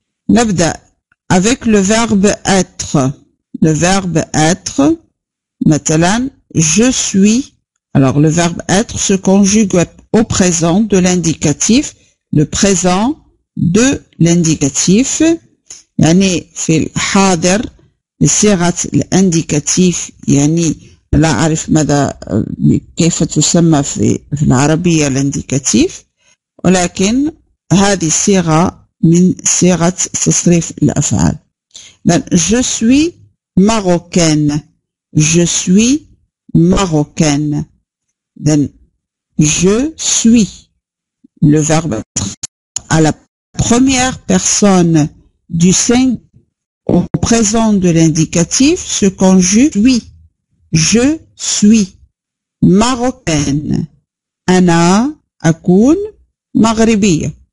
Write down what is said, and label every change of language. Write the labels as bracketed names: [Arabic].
[Arabic] نبدأ [French] avec le verbe être. Le verbe être, مثلا, je suis. Alors, le verbe être se conjugue au présent de l'indicatif. Le présent de l'indicatif. [Arabic] يعني في الحاضر صيغة الانديكاتيف يعني لا أعرف ماذا كيف تسمى في العربية الانديكاتيف ولكن هذه الصيغة من صيغة تصريف الأفعال. إذن [French] je suis marocaine. Je suis marocaine. إذن je suis le verbe à la première personne du singulier au présent de l'indicatif se conjugue oui je suis marocaine [Arabic] ana akoun maghribiya